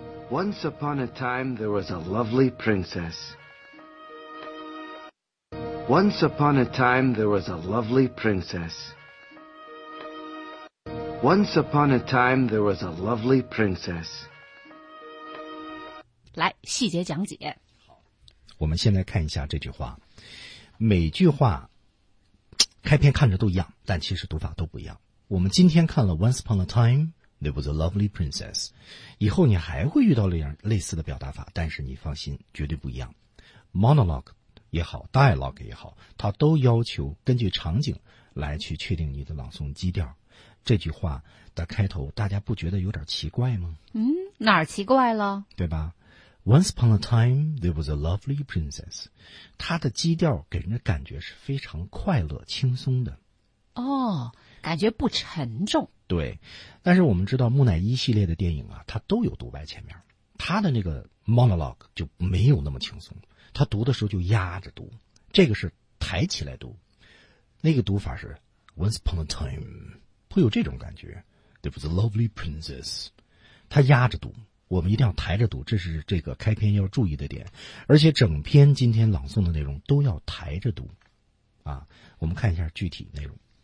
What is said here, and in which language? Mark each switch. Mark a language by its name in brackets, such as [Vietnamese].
[English] Once upon a time, there was a lovely princess. Once upon a time, there was a lovely princess. Once upon a time, there was a lovely princess. [Chinese] 来，细节讲解。好，我们先来看一下这句话。每句话开篇看着都一样，但其实读法都不一样。我们今天看了 [English] Once upon a time,There was a lovely princess. [Chinese] 以后你还会遇到类似的表达法，但是你放心，绝对不一样。 Monologue 也好 ，dialogue 也好，它都要求根据场景来去确定你的朗诵基调。这句话的开头，大家不觉得有点奇怪吗？嗯，哪儿奇怪了？对吧 [English] ？Once upon a time, there was a lovely princess. [Chinese] 它的基调给人的感觉是非常快乐、轻松的。哦，感觉不沉重。对，但是我们知道木乃伊系列的电影啊，它都有独白前面，它的那个 monologue 就没有那么轻松，它读的时候就压着读，这个是抬起来读，那个读法是 [English] once upon a time， [Chinese] 会有这种感觉 ， [English] there was a lovely princess， [Chinese] 它压着读，我们一定要抬着读，这是这个开篇要注意的点，而且整篇今天朗诵的内容都要抬着读，啊，我们看一下具体内容，